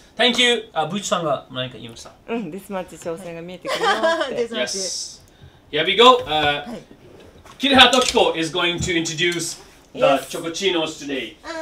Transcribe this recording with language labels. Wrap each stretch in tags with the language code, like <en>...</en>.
<en>Thank you!</en> <ja>ブーチさんが何か言いました。うん、デスマッチ挑戦が見えてくるよって。</ja> <en>デスマッチ。Yes. Here we go! キリハトキコ is going to introduce the Chocochinos today.</en>